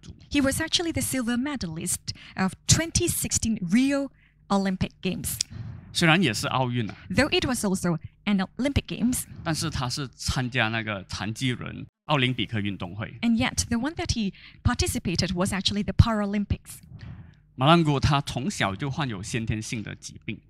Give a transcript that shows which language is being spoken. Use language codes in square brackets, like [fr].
[en] He was actually the silver medalist of 2016 Rio Olympic Games. Though it was also an Olympic Games. [zh] 但是他是参加那个残疾人奥林匹克运动会。 [en] And yet, the one that he participated was actually the Paralympics. [zh] 马兰古他从小就患有先天性的疾病。